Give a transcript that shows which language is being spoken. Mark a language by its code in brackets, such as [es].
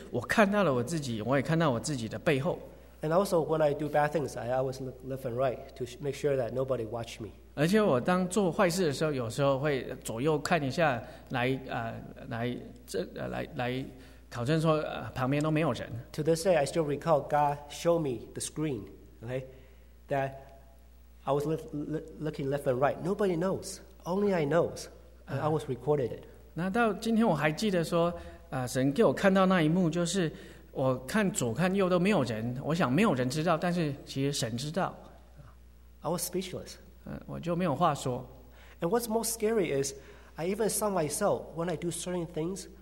[zh] 这个不是只是我的记忆我的回想，而是我看到了我自己，我也看到我自己的背后。 [en] And also when I do bad things, I always look left and right to make sure that nobody watch me. [zh] 而且我当做坏事的时候，有时候会左右看一下，来考证说旁边都没有人。 [en] To this day, I still recall God showed me the screen, okay, that I was looking left and right. Nobody knows. Only I knows. And I was recorded it. [zh] 那到今天我还记得说，神给我看到那一幕，就是我看左看右都没有人，我想没有人知道，但是其实神知道。I [en] was speechless. [zh] 我就没有话说。 [en] And what's most scary is, I even saw myself when I do certain things.